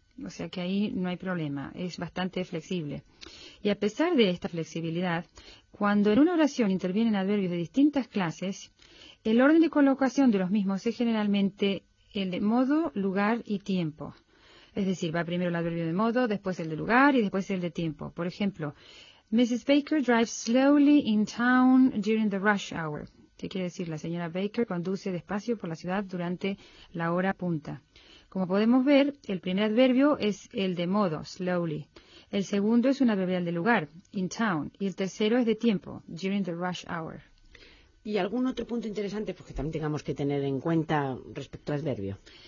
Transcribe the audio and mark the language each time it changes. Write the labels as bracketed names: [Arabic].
[Spanish] O sea que ahí no hay problema, es bastante flexible. Y a pesar de esta flexibilidad, cuando en una oración intervienen adverbios de distintas clases, el orden de colocación de los mismos es generalmente el de modo, lugar y tiempo. Es decir, va primero el adverbio de modo, después el de lugar y después el de tiempo. Por ejemplo, Mrs. [English] Baker drives slowly in town during the rush hour. [Spanish] ¿Qué quiere decir? La señora Baker conduce despacio por la ciudad durante la hora punta. Como podemos ver, el primer adverbio es el de modo, slowly. El segundo es un adverbial de lugar, [English] in town. [Spanish] Y el tercero es de tiempo, [English] during the rush hour. [Spanish] ¿Y algún otro punto interesante pues, que también tengamos que tener en cuenta respecto al adverbio?